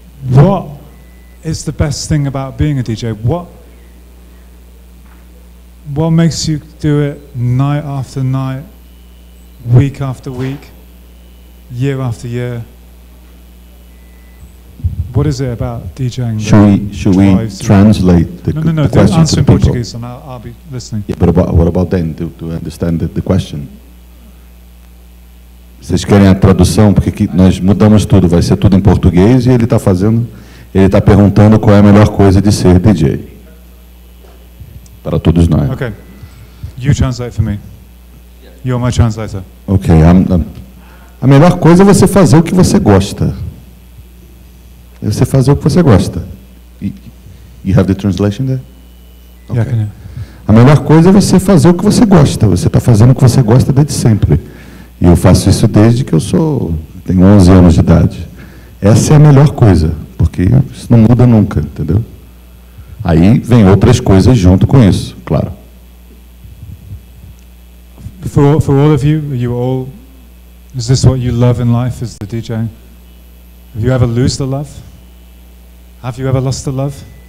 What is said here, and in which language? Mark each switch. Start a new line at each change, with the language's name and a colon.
English: What is the best thing about being a DJ? What makes you do it night after night, week after week, year after year? What is it about DJing? Should we translate the question? No, the answer in Portuguese, and I'll be listening. Yeah, but what about then to understand the question?
Portuguese: Vocês querem a tradução? Porque aqui nós mudamos tudo, vai ser tudo em português e ele está perguntando qual é a melhor coisa de ser DJ. Para todos nós.
English: Okay. You translate for me. You're my translator. Okay.
Portuguese: A melhor coisa é você fazer o que você gosta. É você fazer o que você gosta.
English: You have the translation there? Okay. Yeah, can you?
Portuguese: A melhor coisa é você fazer o que você gosta. Você está fazendo o que você gosta desde sempre. E eu faço isso desde que eu tenho 11 anos de idade. Essa é a melhor coisa, porque isso não muda nunca, entendeu? Aí vem outras coisas junto com isso, claro.
English: For all of you, are you all, is this what you love in life, is the DJ? Have you ever lost the love? Have you ever lost the love?